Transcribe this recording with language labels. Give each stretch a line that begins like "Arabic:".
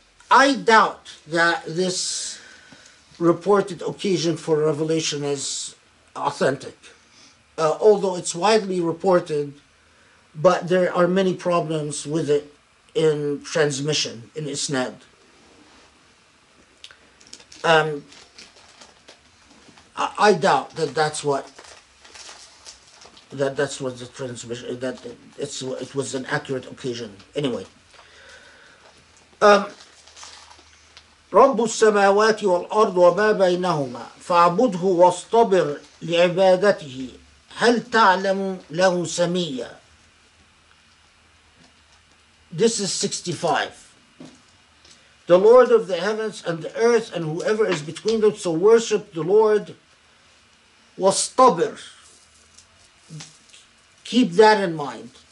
English: I doubt that this reported occasion for revelation is authentic, although it's widely reported, but there are many problems with it in transmission, in isnad. I doubt that it was an accurate occasion.
Arabic: Anyway, رب السماوات والأرض وما بينهما فاعبده واصطبر لعبادته هل تعلم له سميا.
English: This is 65. The Lord of the heavens and the earth and whoever is between them, so worship the Lord.
Arabic: واصطبر.
English: Keep that in mind.